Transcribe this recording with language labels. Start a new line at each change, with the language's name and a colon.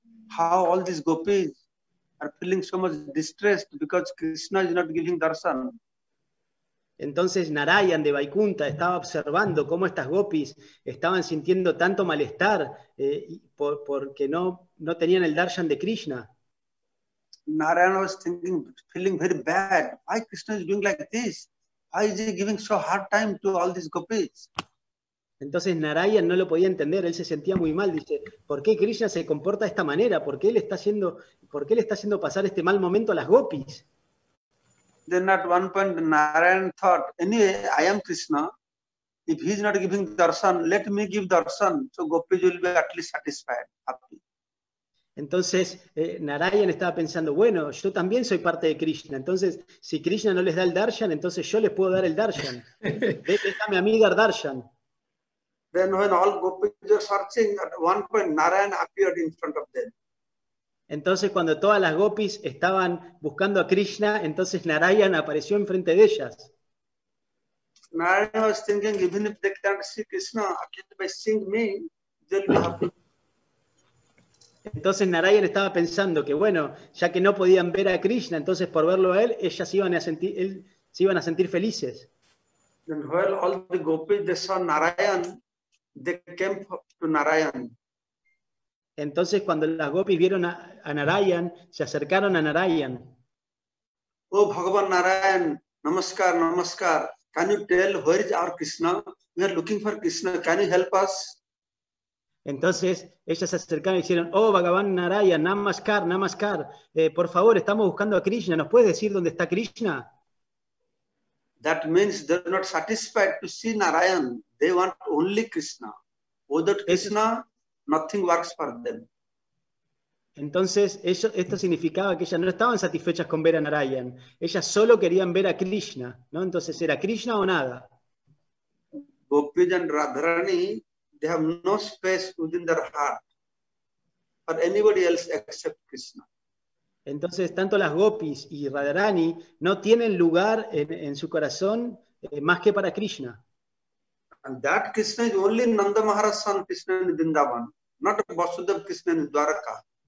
English: How all these gopis are feeling so much distressed because Krishna is not giving darshan.
Spanish: Entonces Narayan de Vaikuntha estaba observando cómo estas gopis estaban sintiendo tanto malestar porque no tenían el darshan de Krishna.
English: Narayan was thinking, feeling very bad. Why Krishna is doing like this? Why is he giving so hard time to all these gopis?
Spanish: Entonces Narayan no lo podía entender, él se sentía muy mal, dice, ¿por qué Krishna se comporta de esta manera? ¿Por qué le está haciendo pasar este mal momento a las gopis?
English: Then at one point Narayan thought, anyway, I am Krishna. If he's not giving darshan, let me give darshan, so gopis will be at least satisfied, happy.
Spanish: Entonces Narayan estaba pensando, bueno, yo también soy parte de Krishna, entonces si Krishna no les da el darshan, entonces yo les puedo dar el darshan. Déjame a mí dar darshan.
English: Then when all gopis were searching, at one point Narayan appeared in front of them.
Spanish: Entonces cuando todas las gopis estaban buscando a Krishna, entonces Narayan apareció enfrente de ellas.
English: Narayan was thinking, even if they can't see Krishna, again by seeing me, they'll be happy.
Spanish: Entonces Narayan estaba pensando que bueno, ya que no podían ver a Krishna, entonces por verlo a él, ellas iban a sentir, él, se iban a sentir felices.
English: Then while all the gopis they saw Narayan, they came to Narayan.
Spanish: Entonces cuando las gopis vieron a Narayan, se acercaron a Narayan.
English: Oh Bhagavan Narayan, namaskar, namaskar. Can you tell where is our Krishna? We are looking for Krishna. Can you help us?
Spanish: Entonces ellas se acercaron y dijeron, oh Bhagavan Narayan, namaskar, namaskar. Por favor, estamos buscando a Krishna. ¿Nos puedes decir dónde está Krishna?
English: That means they're not satisfied to see Narayan. They want only Krishna. Without Krishna, nothing works for them.
Spanish: Entonces, esto significaba que ellas no estaban satisfechas con ver a Narayan. Ellas solo querían ver a Krishna, ¿no? Entonces, ¿era Krishna o nada?
English: Gopis and Radharani, they have no space within their heart for anybody else except Krishna.
Spanish: Entonces, tanto las Gopis y Radharani no tienen lugar en su corazón más que para Krishna.
English: And that Krishna is only Nanda Maharaj's son, Krishna in Vrindavan, not Vasudev Krishna in Dwaraka.